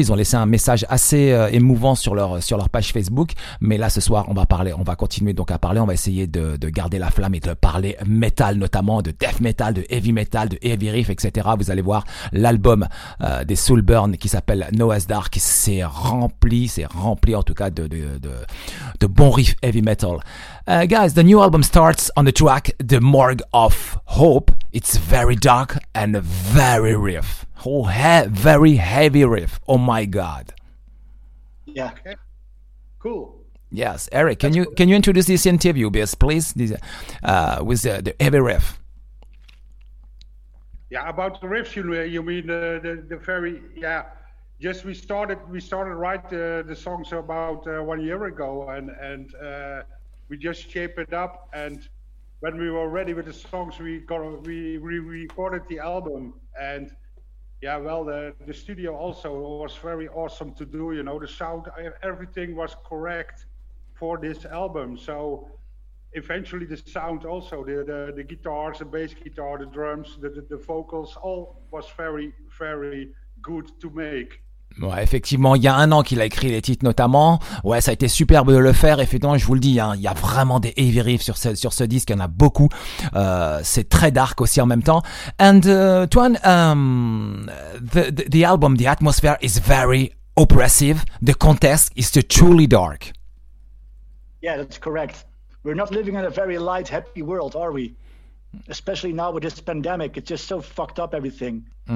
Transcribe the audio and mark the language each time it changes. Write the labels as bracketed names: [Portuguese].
[French] Ils ont laissé un message assez émouvant sur leur page Facebook, mais là ce soir on va continuer à parler, on va essayer de garder la flamme et de parler metal, notamment de death metal, de heavy metal, de heavy riff, etc. Vous allez voir l'album des Soulburn qui s'appelle Noah's Dark, c'est rempli en tout cas de bons riffs heavy metal. [English] Guys, the new album starts on the track The Morgue of Hope. It's very dark and very riff. Oh, very heavy riff. Oh my god. Yeah. Okay. Cool. Yes, Eric, can you introduce this interview, please? With the heavy riff. Yeah, about the riffs, you mean the very, yeah. Just we started write the songs about 1 year ago, and we just shaped it up. And when we were ready with the songs, we recorded the album. And yeah, well, the studio also was very awesome to do. You know, the sound, everything was correct for this album. So eventually the sound also, the guitars, the bass guitar, the drums, the vocals, all was very, very good to make. [French] Ouais, effectivement, il y a un an qu'il a écrit les titres notamment. Ouais, ça a été superbe de le faire. Effectivement, je vous le dis, hein, il y a vraiment des heavy riffs sur ce disque. Il y en a beaucoup. C'est très dark aussi en même temps. [English] And Twan, the album, the atmosphere is very oppressive. The context is truly dark. Yeah, that's correct. We're not living in a very light, happy world, are we? Especially now with this pandemic, it's just so fucked up everything.